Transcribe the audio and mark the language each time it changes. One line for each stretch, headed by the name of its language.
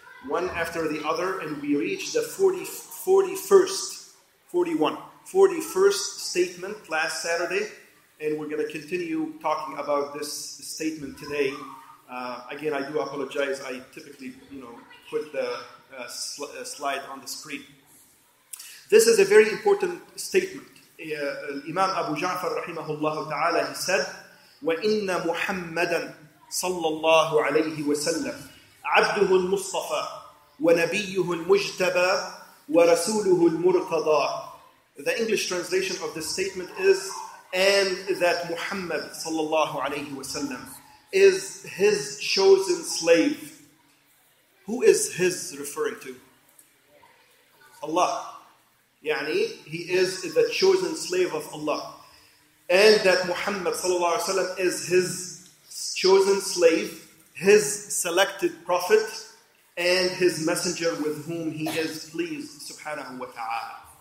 English: One after the other, and we reach the 41st statement last Saturday. And we're going to continue talking about this statement today. Again, I do apologize. I typically, you know, put the slide on the screen. This is a very important statement. Imam Abu Ja'far, rahimahullah ta'ala, he said,
Arabic: وَإِنَّ مُحَمَّدًا صَلَّى اللَّهُ عَلَيْهِ وَسَلَّمْ عَبْدُهُ الْمُصْطَفَى وَنَبِيُّهُ الْمُجْتَبَى وَرَسُولُهُ الْمُرْتَضَى.
English: The English translation of this statement is, and that Muhammad, sallallahu alayhi wa sallam, is his chosen slave. Who is his referring to? Allah. Yani, he is the chosen slave of Allah. And that Muhammad sallallahu alayhi wa sallam is his chosen slave, his selected prophet, and his messenger with whom he is pleased, subhanahu wa ta'ala.